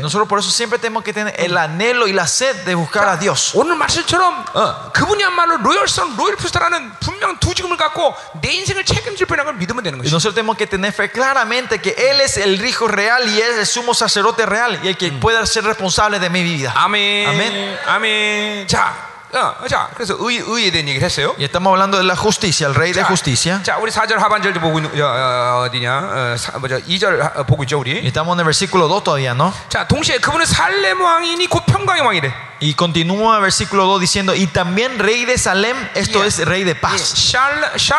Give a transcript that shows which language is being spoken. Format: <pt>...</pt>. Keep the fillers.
<es>Nosotros por eso siempre tenemos que tener el anhelo y la sed de buscar 자, a Dios.</es> <ko>오늘 말씀처럼 어. 그분이 한말로 로열성 로열푸스라는 분명 두 직임을 갖고 내 인생을 책임질 분이라는 걸 믿으면 되는 거지.</ko> <es>Nosotros tenemos que tener fe claramente que él es el rico real y es el sumo sacerdote real y el que 음. pueda ser responsable de mi vida.</es> <ko>아멘. 아멘. 아멘. 자. 자, 그래서 의, 의에 대한 얘기를 했어요.</ko> <es>Y estamos hablando de la justicia, el rey 자, de justicia.</es> <ko>자, 우리 4절 하반절도 보고 있는, 어, 어디냐, 어, 사, 2절 보고 있죠, 우리.</ko> <es>Estamos en el versículo 2 todavía, ¿no?</es> <ko>자, 동시에 그분은 살렘왕이니 곧 평강의 왕이래.</ko> <es>Y continúa el versículo 2 diciendo, y también rey de Salem, esto yeah. es rey de paz. Yeah.</es>